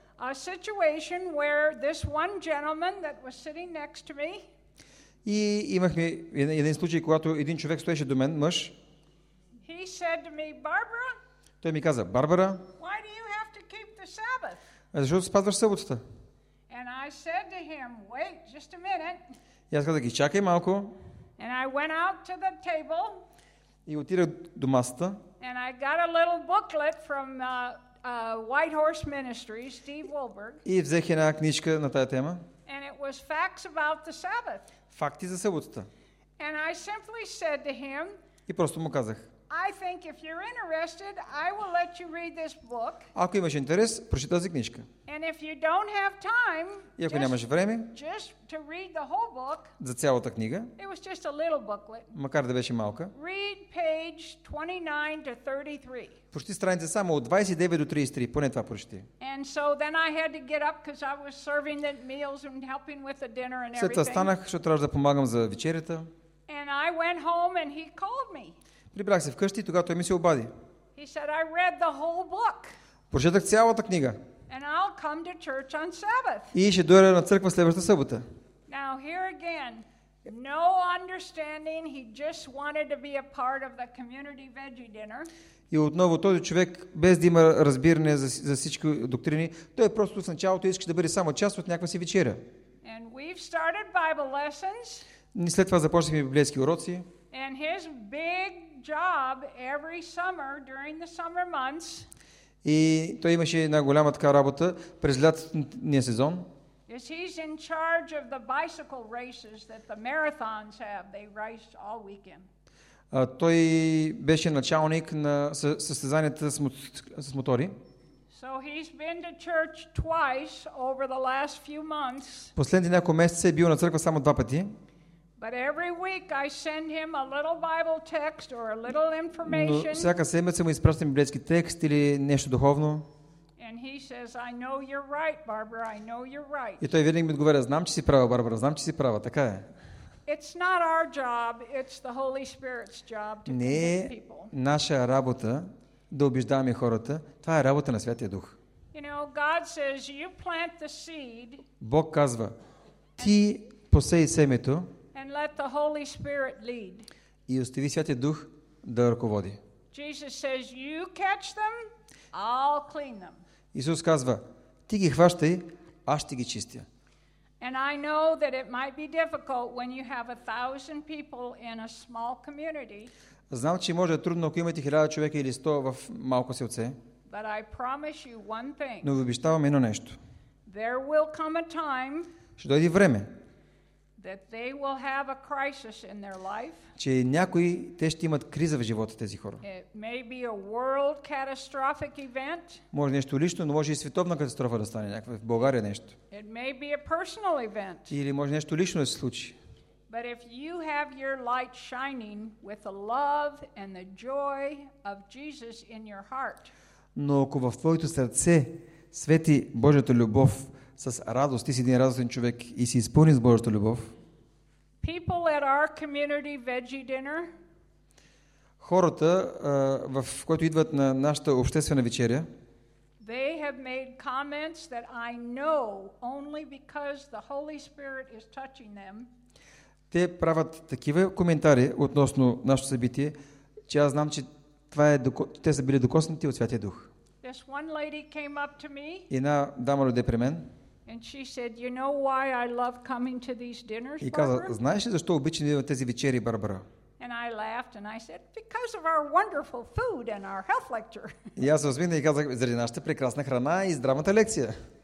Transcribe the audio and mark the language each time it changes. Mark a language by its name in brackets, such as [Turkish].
[English] a situation where this one gentleman that was sitting next to me. [Bulgarian] И имахме един случай, когато един човек стоеше до мен, мъж. [English] He said to me, Barbara. [Bulgarian] Той ми каза, Барбара. [English] Why do you have to keep the Sabbath? [Bulgarian] Защо спазваш съботата? [English] And I said to him, wait just a minute. [Bulgarian] И аз казах, чакай малко. [English] And I went out to the table. [Bulgarian] И отидох до масата. [English] And I got a little booklet from White Horse Ministries, Steve Wolberg. [Bulgarian] И взех една книжка на тая тема. [English] And it was facts about the Sabbath. [Bulgarian] Факти за съботата. [English] And I simply said to him, [Bulgarian] и просто му казах, [English] I think if you're interested, I will let you read this book. [Bulgarian] Ако имаш интерес, прочети тази книжка. [English] And if you don't have time, [Bulgarian] и ако нямаш време, [English] just to read the whole book, [Bulgarian] за цялата книга, [English] it was just a little booklet, [Bulgarian] макар да беше малка, [English] read page 29 to 33. [Bulgarian] Прочети страница само от 29 до 33, поне това прочети. [English] And so then I had to get up because I was serving the meals and helping with the dinner and everything. [Bulgarian] След това станах, защото трябваше да помагам за вечерята. [English] And I went home and he called me. [Bulgarian] Прибрах се вкъщи и тогава той ми се обади. [English] He said, I read the whole book. [Bulgarian] Прочетах цялата книга. [English] And I'll come to church on Sabbath. [Bulgarian] И ще дойда на църква следващата събота. [English] Now here again, no understanding, he just wanted to be a part of the community veggie dinner. [Bulgarian] И отново този човек, без да има разбиране за всички доктрини, той просто в началото искаше да бъде само част от някаква си вечеря. [English] And we've started Bible lessons. [Bulgarian] И след това започнахме библейски уроци. [English] And his big job every summer during the summer months. [Bulgarian] И той имаше една голяма така работа през лятния сезон. [English] Is he's in charge of the bicycle races that the marathons have. They race all weekend. [Bulgarian] Той беше началник на състезанията с мотори. [English] So he's been to church twice over the last few months. [Bulgarian] Последните няколко месеца е бил на църква само два пъти. [English] But every week I send him a little Bible text or a little information. [Bulgarian] Всяка седмица му изпращам библейски текст или нещо духовно. [English] And he says, I know you're right, Barbara. I know you're right. [Bulgarian] И той винаги ми отговаря, знам, че си права, Барбара, знам, че си права, така е. [English] It's not our job, it's the Holy Spirit's job to convince people. [Bulgarian] Не е наша работа да убеждаваме хората, това е работа на Святия Дух. [English] You know, God says, you plant the seed. [Bulgarian] Бог казва, ти посей семето. [English] And let the Holy Spirit lead. [Bulgarian] И остави Святия Дух да ръководи. [English] Jesus says, you catch them, I'll clean them. [Bulgarian] Исус казва, ти ги хващай, аз ще ги чистя. [English] And I know that it might be difficult when you have 1,000 people in a small community. [Bulgarian] Знам, че може да е трудно, ако имате 1000 човека или 100 в малко селце. [English] But I promise you one thing. [Bulgarian] Но ви обещавам едно нещо. [English] There will come a time. [Bulgarian] Ще дойде време. [English] That they will have a crisis in their life. [Bulgarian] Че някои те ще имат криза в живота тези хора. [English] It may be a world catastrophic event. [Bulgarian] Може нещо лично, но може и световна катастрофа да стане някаква в България нещо. [English] It may be a personal event. [Bulgarian] Или може нещо лично да се случи. [English] But if you have your light shining with the love and the joy of Jesus in your heart. [Bulgarian] Но ако в твоето сърце свети Божията любов, с радост, ти си един радостен човек и си изпълни с Божията любов. [English] People at our community veggie dinner, [Bulgarian] хората, в които идват на нашата обществена вечеря, [English] they have made comments that I know only because the Holy Spirit is touching them. [Bulgarian] Те правят такива коментари относно нашето събитие, че аз знам, че това е те са били докоснати от Святия Дух. [English] This one lady came up to me. [Bulgarian] Една дама дойде при мен. [English] And she said, "You know why I love coming to these dinners, Barbara?" [Bulgarian] И каза, знаеш ли защо обичам да идвам тези вечери, Барбара? [English] And I laughed and I said, "Because of our wonderful food and our health lecture." [Bulgarian] И аз се усмихнах и казах, заради нашата прекрасна храна и здравата лекция.